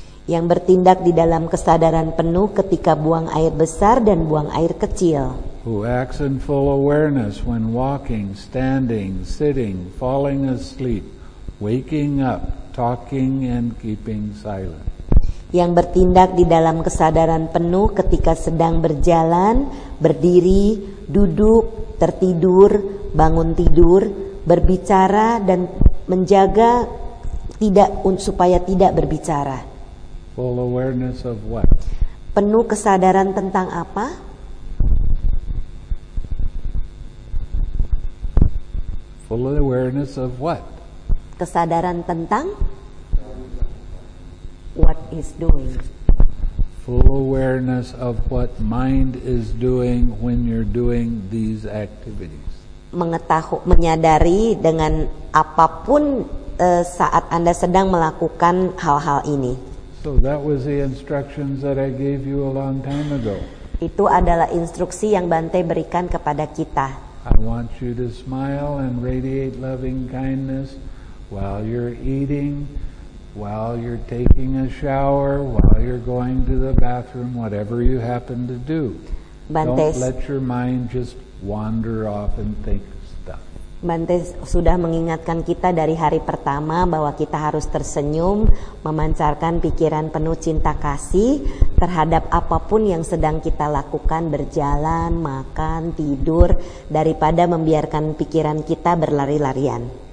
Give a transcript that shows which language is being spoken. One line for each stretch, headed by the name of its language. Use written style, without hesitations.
Indonesian: Yang bertindak di dalam kesadaran penuh ketika buang air besar dan buang air kecil.
English: Who acts in full awareness when walking, standing, sitting, falling asleep, waking up, talking and keeping silent.
Indonesian: Yang bertindak di dalam kesadaran penuh ketika sedang berjalan, berdiri, duduk, tertidur, bangun tidur, berbicara dan menjaga tidak supaya tidak berbicara.
English: Full awareness of what?
Indonesian: Penuh kesadaran tentang apa?
English: Full awareness of what?
Indonesian: Kesadaran tentang
English: what is doing. Full awareness of what mind is doing when you're doing these activities.
Indonesian: Mengetahui, menyadari dengan apapun saat Anda sedang melakukan hal-hal ini.
English: So that was the instructions that I gave you a long time ago.
Indonesian: Itu adalah instruksi yang Bante berikan kepada kita.
English: I want you to smile and radiate loving kindness while you're eating, while you're taking a shower, while you're going to the bathroom, whatever you happen to do. Bante, don't let your mind just wander off and think stuff.
Indonesian: Bante sudah mengingatkan kita dari hari pertama bahwa kita harus tersenyum, memancarkan pikiran penuh cinta kasih terhadap apapun yang sedang kita lakukan, berjalan, makan, tidur, daripada membiarkan pikiran kita berlari-larian.